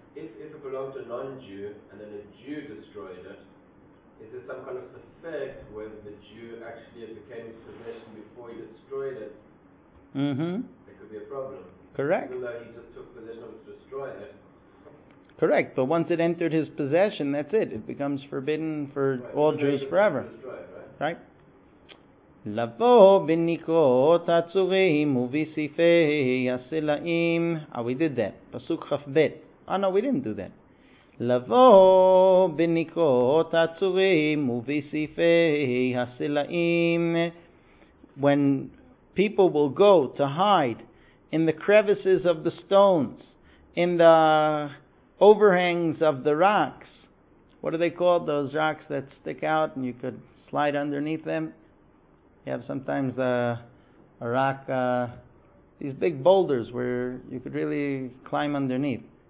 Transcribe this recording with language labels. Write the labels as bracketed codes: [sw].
[en] If it belonged to a non-Jew and then a Jew destroyed it, is there some kind of effect when the Jew actually became his possession before he destroyed it? Mm-hmm. It could be a problem. Correct. Even though he just took possession of it to destroy it. Correct. But once it entered his possession, that's it. It becomes forbidden for all Jews forever. Right? [he] לבוא בניקות הצורים ובסיפי הסלעים. [en] We did that. [he] פסוק כ"ב. [en] No, we didn't do that. [he] לבוא בניקות הצורים ובסיפי הסלעים. [en] When people will go to hide in the crevices of the stones, in the overhangs of the rocks. What are they called? Those rocks that stick out and you could slide underneath them? You have sometimes a rock, these big boulders where you could really climb underneath.